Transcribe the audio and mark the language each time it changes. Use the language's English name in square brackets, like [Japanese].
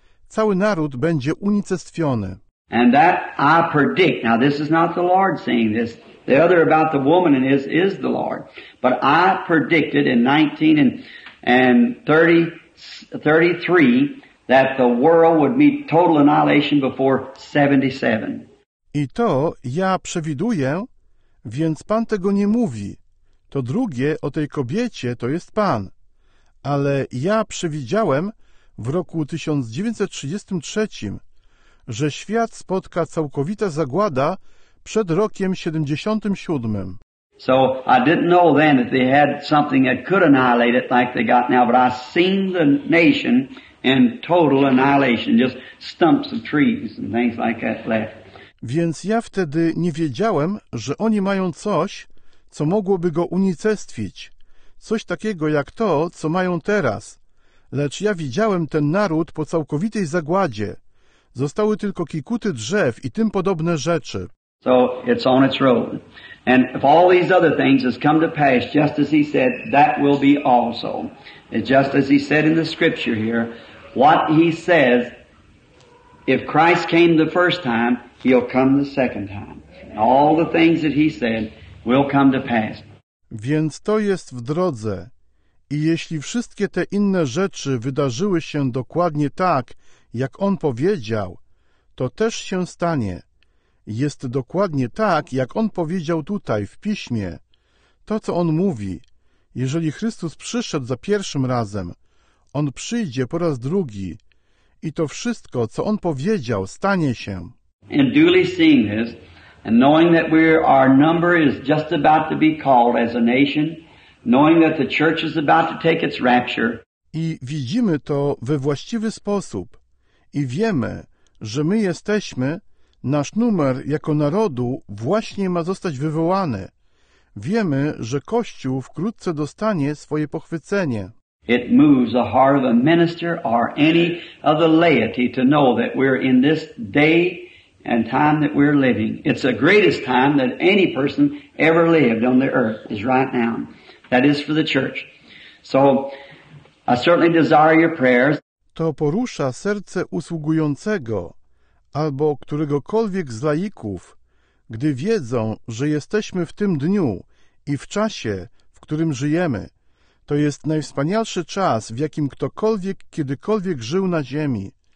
[Polish] Cały naród będzie unicestwiony. [English] And that I predict. Now this is not the Lord saying this. The other about the woman and this is the Lord. But I predicted in 1933 that the world would meet total annihilation before 77. [Polish] I to ja przewiduję, więc Pan tego nie mówi. To drugie o tej kobiecie to jest Pan. Ale ja przewidziałem w roku 1933, że świat spotka całkowita zagłada przed rokiem 77. [English] So I didn't know then that they had something that could annihilate it like they got now, but I seen the nation in total annihilation, just stumps of trees and things like that left. [Polish] Więc ja wtedy nie wiedziałem, że oni mają coś, co mogłoby go unicestwić, coś takiego jak to, co mają teraz, lecz ja widziałem ten naród po całkowitej zagładzie. Zostały tylko kikuty drzew i tym podobne rzeczy. [English] So it's on its road. And if all these other things has come to pass, just as he said, that will be also. It's just as he said in the scripture here, what he says, if Christ came the first time, he'll come the second time. And all the things that he said will come to pass. [Polish] Więc to jest w drodze. I jeśli wszystkie te inne rzeczy wydarzyły się dokładnie tak, jak on powiedział, to też się stanie. Jest dokładnie tak, jak on powiedział tutaj, w piśmie. To, co on mówi, jeżeli Chrystus przyszedł za pierwszym razem, on przyjdzie po raz drugi, i to wszystko, co on powiedział, stanie się. [English] And duly seeing this, and knowing that our number is just about to be called as a nation, knowing that the church is about to take its rapture. [Polish] I widzimy to we właściwy sposób. I wiemy, że my jesteśmy, nasz numer jako narodu właśnie ma zostać wywołany. Wiemy, że Kościół wkrótce dostanie swoje pochwycenie. [English] It moves the heart of a minister or any of the laity to know that we're in this day and time that we're living. It's the greatest time that any person ever lived on the earth is right now. That is for the church. So I certainly desire your prayers. [Polish] To porusza serce usługującego albo któregokolwiek z laików, gdy wiedzą, że jesteśmy w tym dniu i w czasie, w którym żyjemy. To jest najwspanialszy czas, w jakim ktokolwiek kiedykolwiek żył na ziemi.